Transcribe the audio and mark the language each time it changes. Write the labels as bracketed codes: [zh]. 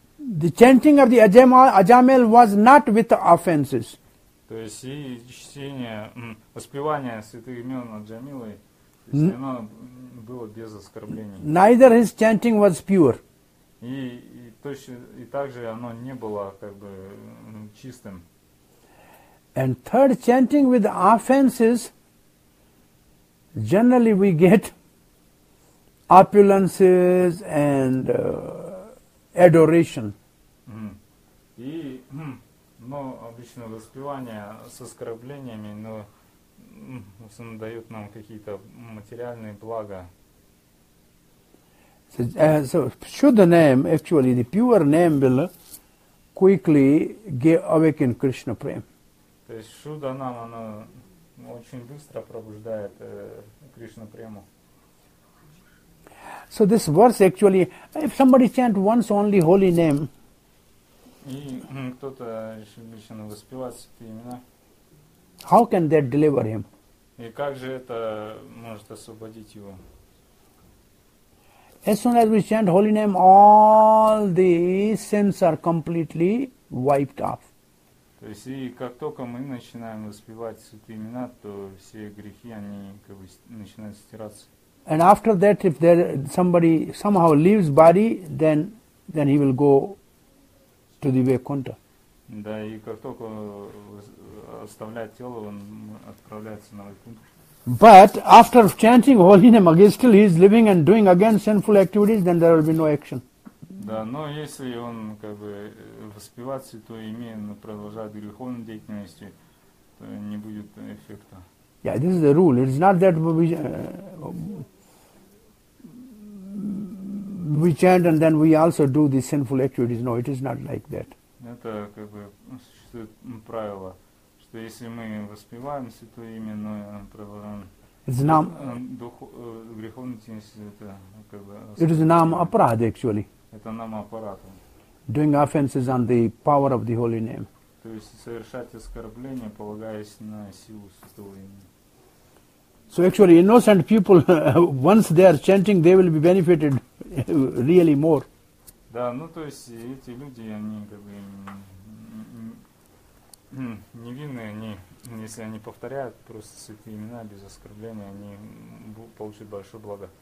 [en] The chanting of the Ajamil was not with offenses. [ru] То есть и чтение, воспевание святых имен Аджамилы, оно было без оскорблений. [en] Neither his chanting was pure. [ru] И также оно не было как бы чистым. [en] And third, chanting with offenses, generally we get opulences and adoration. [ru] Но обычно воспевание с оскорблениями, но он дает нам какие-то материальные блага. [en] So Shuddha name, actually the pure name will quickly awaken Krishna prem. [ru] То есть Shuddha нам оно очень быстро пробуждает Кришна прему. [en] So this verse actually, if somebody chant once only holy name. [ru] И кто-то лично воспевает святые имена. [en] How can that deliver him? [ru] И как же это может освободить его? [en] As soon as we chant holy name, all the sins are completely wiped off. [ru] То есть и как только мы начинаем воспевать святые имена, то все грехи они как бы начинают стираться. [en] And after that, if there somebody somehow leaves body, then he will go to the Vaikuntha. [ru] Да, и как только оставляет тело, он отправляется на Вайкунтху. [en] But after chanting holy name again, still he is living and doing again sinful activities, then there will be no action. [ru] Да, но если он как бы в распевать святое имя, но продолжать греховную деятельность, то не будет эффекта. [en] Yeah, this is the rule. It's not that we chant and then we also do the sinful activities. No, it is not like that. [ru] Это как бы существует правило, что если мы воспеваем святое имя, но продолжаем [en] It is nam aparad actually. [ru] Это нам аппарат. [en] Doing offenses on the power of the holy name. [ru] То есть совершать оскорбление, полагаясь на силу святого имени. [en] So actually, innocent people, once they are chanting, they will be benefited really more. [ru] Да, ну то есть эти люди, они как бы невинные, они. Если они повторяют просто святые имена без оскорбления, они получат большое благо.